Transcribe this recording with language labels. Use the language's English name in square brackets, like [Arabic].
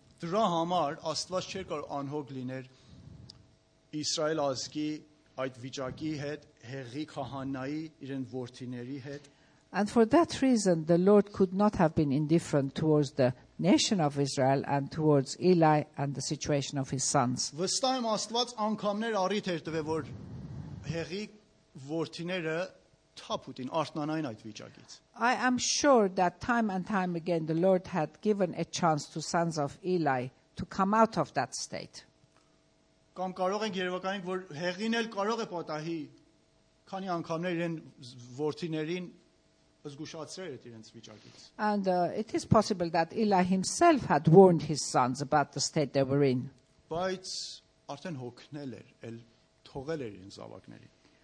[Armenian] Դրա համար Աստված չէր կարող անհոգ լինել Իսրայել ազգի այդ վիճակի հետ, հեղի քահանայի իրեն որդիների հետ. [English] And for that reason the Lord could not have been indifferent towards the nation of Israel and towards Eli and the situation of his sons. [Armenian] Վստահ եմ Աստված անգամներ առիթ էր տվել որ հեղի որդիները թափուտին արթնանային այդ վիճակից. [English] I am sure that time and time again the Lord had given a chance to sons of Eli to come out of that state. [Armenian] Կամ կարող ենք երևակայենք, որ հեղին էլ կարող է պատահի, քանի անգամներ իրեն որդիներին զգուշացրել այդ իրենց վիճակից. [English] And it is possible that Eli himself had warned his sons about the state they were in. [Armenian] Բայց արդեն հոգնել էր, էլ թողել էր իրեն զավակներին.